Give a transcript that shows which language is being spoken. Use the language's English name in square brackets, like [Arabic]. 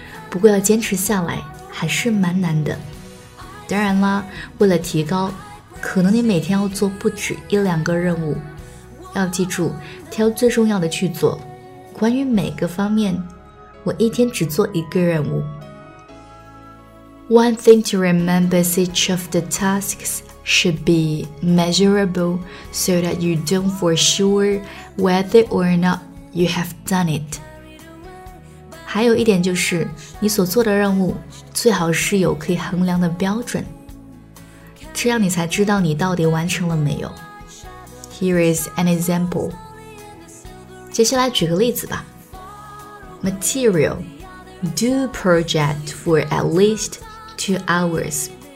[Chinese] 不过要坚持下来还是蛮难的。当然啦，为了提高，可能你每天要做不止一两个任务。要记住，挑最重要的去做。关于每个方面，我一天只做一个任务。 [English] One thing to remember is each of the tasks should be measurable so that you don't for sure whether or not you have done it. [Chinese] 还有一点就是，你所做的任务最好是有可以衡量的标准，这样你才知道你到底完成了没有。 [English] Here is an example. [Chinese] 接下来举个例子吧。 [English] Material. Do project for at least 2 hours.